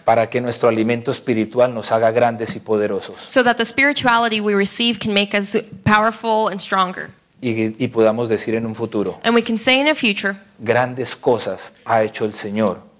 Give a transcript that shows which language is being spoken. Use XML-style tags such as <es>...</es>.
<es>Para que nuestro alimento espiritual nos haga grandes y poderosos.</es> <en>So that the spirituality we receive can make us powerful and stronger.</en> <es>Y podamos decir en un futuro.</es> <en>And we can say in a future.</en> <es>Grandes cosas ha hecho el Señor en nosotros.</es>